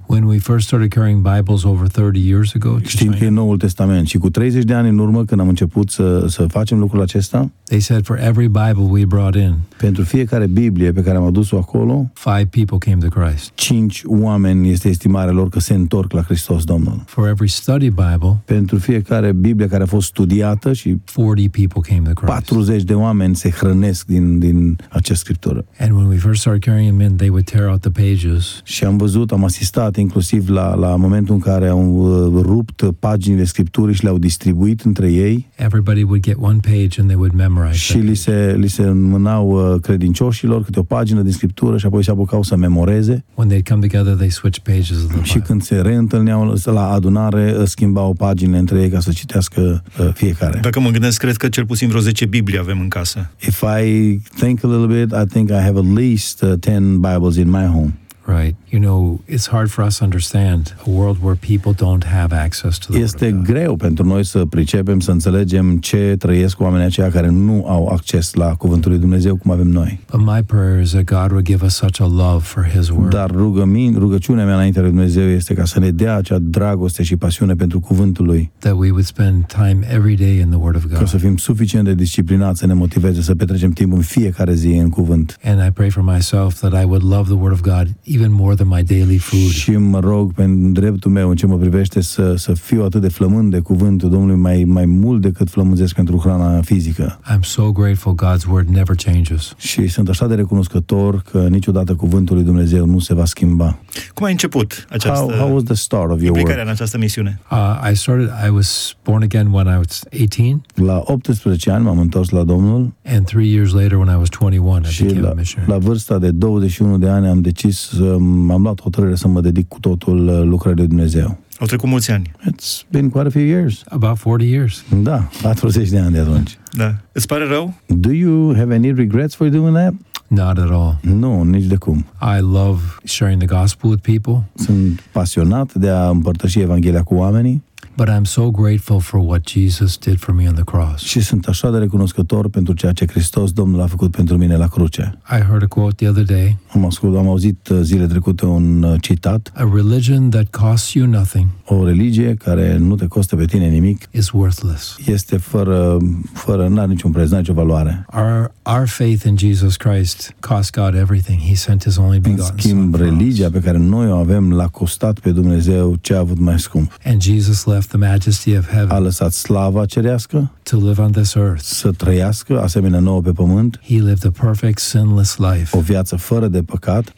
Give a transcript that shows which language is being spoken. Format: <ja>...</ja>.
<en>When we first started carrying Bibles over 30 years ago,</en> <ro>știind că e Noul Testament și cu 30 de ani în urmă când am început să facem lucrul acesta.</ro> <en>They said for every Bible we brought in.</en> <ro>Pentru fiecare Biblie pe care am adus-o acolo,</ro> <en>5 people came to Christ.</en> <ro>5 oameni este estimarea lor că se întorc la Hristos Domnul.</ro> <en>For every study Bible,</en> <ro>pentru fiecare Biblie care a fost studiată și</ro> <en>40 people came to Christ.</en> <ro>40 de oameni se hrănesc din această scriptură.</ro> <en>And when we first started carrying them in, they would tear out the pages.</en> <ro>Și am asistat inclusiv la momentul în care au rupt paginile scripturii și le-au distribuit între ei.</ro> <en>Everybody would get one page and they would memorize.</en> <ro>Și li se mânau credincioșilor câte o pagină din scriptură și apoi se apucau să memoreze.</ro> <en>When they come together, they switch pages of the Bible.</en> <ro>Și când se reîntâlneau la adunare, schimbau pagine între ei ca să citească fiecare. Dacă mă gândesc, cred că cel puțin vreo 10 Biblii avem în casă.</ro> <en>If I think a little bit, I think I have at least 10 Bibles in my home. Right. You know, it's hard for us to understand a world where people don't have access to the Word of God.</en> <ro>Este greu pentru noi să pricepem, să înțelegem ce trăiesc oamenii aceia care nu au acces la Cuvântul lui Dumnezeu cum avem noi.</ro> <en>But my prayer is that God would give us such a love for His Word.</en> <ro>Dar rugăciunea mea înaintea lui Dumnezeu este ca să ne dea acea dragoste și pasiune pentru Cuvântul lui.</ro> <en>That we would spend time every day in the Word of God.</en> <ro>Ca să fim suficient de disciplinați să ne motiveze să petrecem timp în fiecare zi în Cuvânt.</ro> <en>And I pray for myself that I would love the Word of God even more than my daily food.</en> <ro>Și mă rog pentru dreptul meu în ce mă privește să fiu atât de flămând de cuvântul Domnului mai mult decât flămânzesc pentru hrana fizică.</ro> <en>I'm so grateful God's word never changes.</en> <ro>Și sunt așa de recunoscător că niciodată cuvântul lui Dumnezeu nu se va schimba. Cum a început această</ro> <en>How was the start of your work?</en> <ro>În această misiune.</ro> <en>I was born again when I was 18.</en> <ro>La 18 ani m-am întors la Domnul.</ro> <en>And 3 years later when I was 21 I became a missionary.</en> <ro>La vârsta de 21 de ani am decis am luat hotărârea să mă dedic cu totul lucrării de Dumnezeu. Au trecut mulți ani.</ro> <en>It's been quite a few years. About 40 years.</en> <ro>Da, 40 de ani de atunci. Da. Îți pare rău?</ro> <en>Do you have any regrets for doing that? Not at all.</en> <ro>Nu, nici de cum.</ro> <en>I love sharing the gospel with people.</en> <ro>Sunt pasionat de a împărtăși Evanghelia cu oamenii.</ro> <en>but I'm so grateful for what Jesus did for me on the cross.</en> <ro>Și sunt așa de recunoscător pentru ceea ce Hristos Domnul a făcut pentru mine la cruce.</ro> <en>I heard a quote the other day.</en> <ro>Am auzit zile trecute un citat.</ro> <en>A religion that costs you nothing.</en> <ro>O religie care nu te costă pe tine nimic.</ro> <en>Is worthless.</en> <ro>Este fără n-are niciun preț, n-are nicio valoare.</ro> <en>Our faith in Jesus Christ cost God everything. He sent his only begotten</en> <ro>Son. În schimb, religia pe care noi o avem l-a costat pe Dumnezeu ce a avut mai scump.</ro> <en>And Jesus left the majesty of heaven.</en> <ro>A lăsat slava cerească.</ro> <en>To live on this earth.</en> <ro>Să trăiască asemenea nouă pe pământ.</ro> <en>He lived a perfect sinless life.</en> <ro>O viață fără de păcat.</ro>